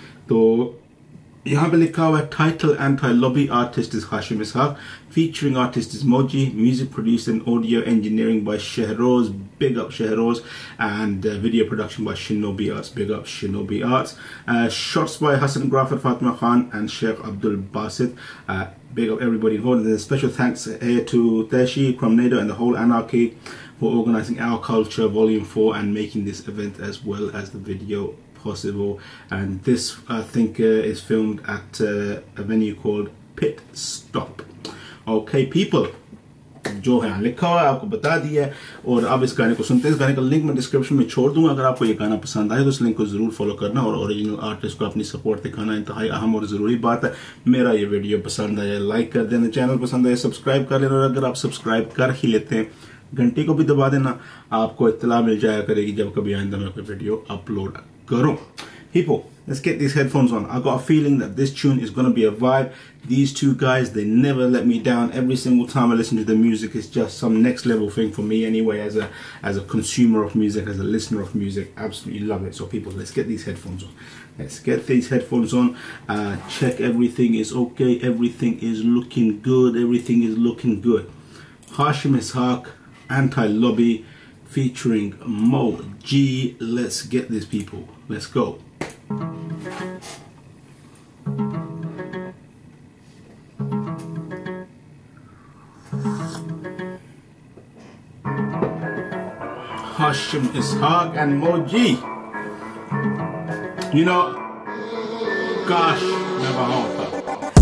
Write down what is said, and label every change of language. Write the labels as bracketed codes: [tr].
[en] तो यहाँ पे लिखा हुआ है title anti lobby, artist is Hashim Ishaq, featuring artist is Moji, music produce and audio engineering by Shahroz, big up Shahroz, and video production by Shinobi arts, big up Shinobi arts, shorts by Hassan grapher, Fatima Khan and Sheikh Abdul Basit, big up everybody involved. And special thanks to तैशी क्रमनेडो and the whole NRK for organising our culture volume 4 and making this event as well as the video possible. And this I think is filmed at a venue called Pit Stop. Okay people, [hi] जो है लिखा हुआ है आपको बता दिया है, और अब इस गाने को सुनते हैं. इस गाने का लिंक मैं डिस्क्रिप्शन में छोड़ दूंगा, अगर आपको ये गाना पसंद आए तो उस लिंक को जरूर फॉलो करना, और ओरिजिनल आर्टिस्ट को अपनी सपोर्ट दिखाना इंतहाई अहम और जरूरी बात है. मेरा ये वीडियो पसंद आया लाइक कर देना, चैनल पसंद आया सब्सक्राइब कर लेना, और अगर आप सब्सक्राइब कर ही लेते हैं घंटी को भी दबा देना, आपको इतला मिल जाया करेगी जब कभी आइंदा मैं कोई वीडियो अपलोड करो. [en] हिपो, let's get this headphones on. I got a feeling that this tune is gonna be a vibe. These two guys, they never let me down. Every single time I listen to the music is just some next level thing for me anyway, as a consumer of music, as a listener of music, absolutely love it. So people, let's get this headphones on. Let's get this headphones on. Check, everything is okay, everything is looking good, everything is looking good. Hashim Ishaq, anti lobby featuring Moji. Let's get these people, let's go. Hashim Ishaq and Moji, you know, gosh, never hope.